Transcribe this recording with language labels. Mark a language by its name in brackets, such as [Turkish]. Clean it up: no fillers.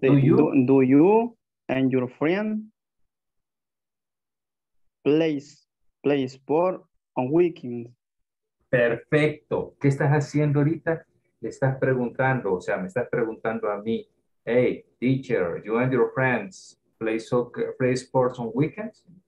[English] Do you and your friend play sport on weekends? [Spanish] Perfecto. ¿Qué estás haciendo ahorita? Le estás preguntando, o sea, me estás preguntando a mí. [English] Hey, teacher, you and your friends play soccer, play sports on weekends?